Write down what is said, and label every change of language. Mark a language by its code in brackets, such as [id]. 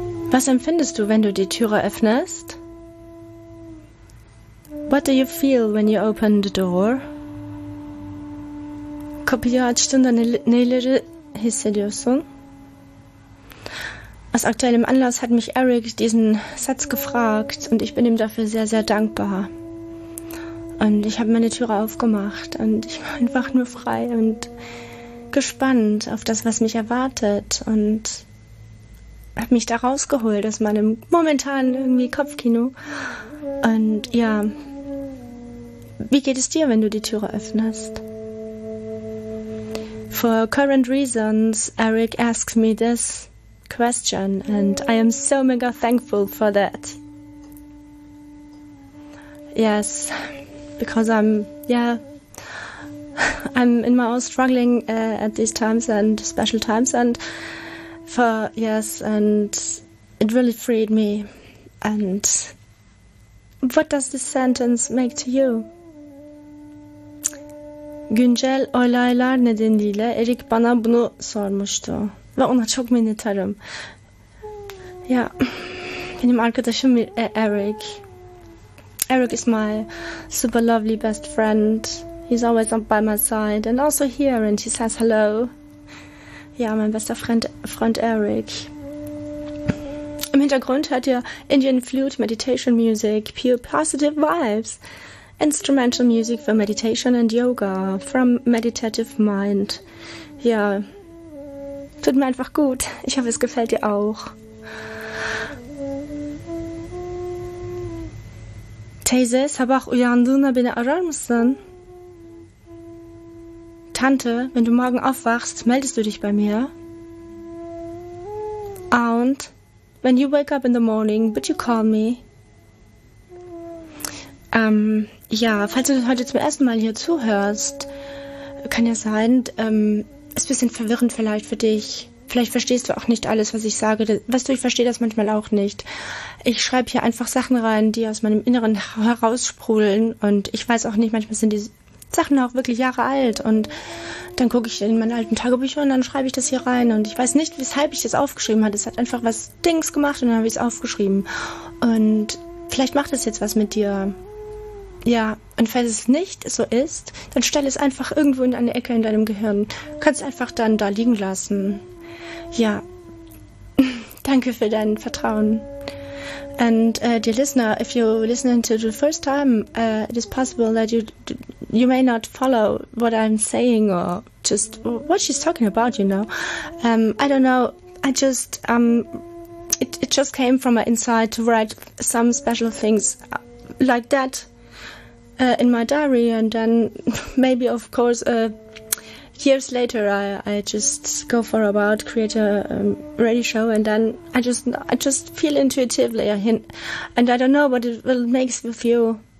[de] Was empfindest du, wenn du die Türe öffnest? [en] What do you feel when you open the door? [tr] Kapıyı açtığında neleri hissediyorsun? [de] Aus aktuellem Anlass hat mich Eric diesen Satz gefragt und ich bin ihm dafür sehr, sehr dankbar. Und ich habe meine Türe aufgemacht und ich war einfach nur frei und gespannt auf das, was mich erwartet und hab mich da rausgeholt aus meinem momentanen irgendwie Kopfkino. Und ja, wie geht es dir, wenn du die Türe öffnest? [en] For current reasons, Eric asked me this question and I am so mega thankful for that. Yes, because I'm in my own struggling at these times and special times and and it really freed me. And what does this sentence make to you? [tr] Güncel olaylar nedeniyle Eric bana bunu sormuştu ve ona çok minnettarım. Ya benim arkadaşım Eric. [en] Eric is my super lovely best friend. He's always by my side and also here, and he says hello. [de] Ja, mein bester Freund Eric. Im Hintergrund hört ihr Indian Flute Meditation Music, Pure Positive Vibes, Instrumental Music for Meditation and Yoga from Meditative Mind. Ja, tut mir einfach gut. Ich hoffe, es gefällt dir auch. [tr] Teyze, sabah uyandığına beni arar mısın? [de] Tante, wenn du morgen aufwachst, meldest du dich bei mir? [en] Aunt, when you wake up in the morning, would you call me? [de] Ja, falls du heute zum ersten Mal hier zuhörst, kann ja sein, ist ein bisschen verwirrend vielleicht für dich. Vielleicht verstehst du auch nicht alles, was ich sage. Weißt du, ich verstehe das manchmal auch nicht. Ich schreibe hier einfach Sachen rein, die aus meinem Inneren heraussprudeln und ich weiß auch nicht, manchmal sind die Sachen auch wirklich Jahre alt und dann gucke ich in meine alten Tagebücher und dann schreibe ich das hier rein und ich weiß nicht, weshalb ich das aufgeschrieben habe. Es hat einfach was Dings gemacht und dann habe ich es aufgeschrieben und vielleicht macht es jetzt was mit dir. Ja, und falls es nicht so ist, dann stell es einfach irgendwo in eine Ecke in deinem Gehirn. Kannst einfach dann da liegen lassen. Ja, danke für dein Vertrauen. [en] And dear listener, if you're listening to the first time, it is possible that you may not follow what I'm saying or just what she's talking about, you know. I don't know. I just it just came from my inside to write some special things like that in my diary, and then maybe of course years later I just go for about create a radio show, and then I just feel intuitively a hint, and I don't know what it will makes with you.